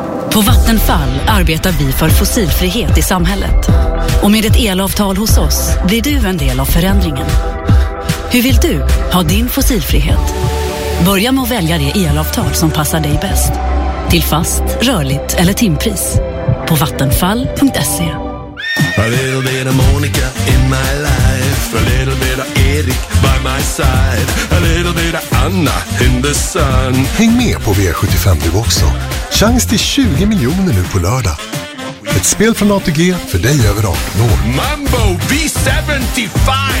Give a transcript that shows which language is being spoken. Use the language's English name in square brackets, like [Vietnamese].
[Swedish] På Vattenfall arbetar vi för fossilfrihet i samhället. Och med ett elavtal hos oss blir du en del av förändringen. Hur vill du ha din fossilfrihet? Börja med att välja det elavtal som passar dig bäst. Till fast, rörligt eller timpris. På vattenfall.se. [English] A little bit of Monica in my life. A little bit of Erik by my side. A little bit of Anna in the sun. [Swedish] Häng med på V75 nu också. Chans till 20 miljoner nu på lördag. Ett spel från ATG för dig över 18 år. Mambo V75!